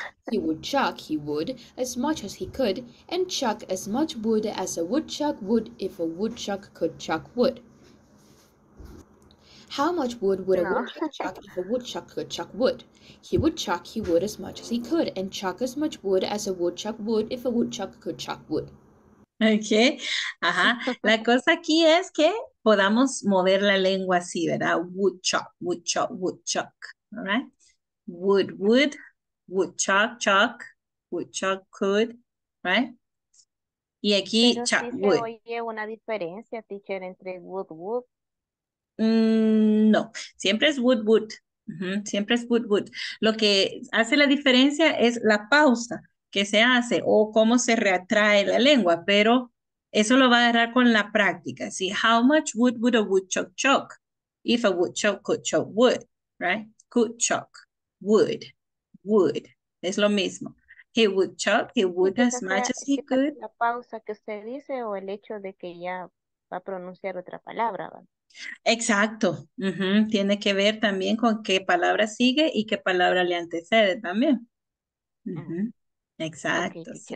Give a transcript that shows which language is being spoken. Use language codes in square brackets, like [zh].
[en] He would as much as he could, and chuck as much wood as a woodchuck would if a woodchuck could chuck wood. How much wood would a woodchuck chuck if a woodchuck could chuck wood? He would as much as he could, and chuck as much wood as a woodchuck would if a woodchuck could chuck wood. Okay, ajá. [es] La cosa aquí es que podamos mover la lengua así, ¿verdad? [en] Woodchuck, woodchuck, woodchuck. All right? Wood, wood, woodchuck, chuck, woodchuck, could. [es] Right? Y aquí, pero [en] chuck, [es] sí [en] wood. [es] Pero sí se oye una diferencia, teacher, entre wood, wood. No, siempre es wood, wood. Uh-huh. Siempre es wood, wood. Lo que hace la diferencia es la pausa que se hace o cómo se retrae la lengua, pero eso lo va a agarrar con la práctica. ¿Sí? [en] How much wood would a woodchuck chuck if a woodchuck could chuck wood, right? Could chuck wood, wood. [es] Es lo mismo. [en] He would chuck, he would as much as he could. [es] La pausa que usted dice o el hecho de que ya va a pronunciar otra palabra, ¿verdad? Exacto, uh-huh. Tiene que ver también con qué palabra sigue y qué palabra le antecede también. Uh-huh. Exacto.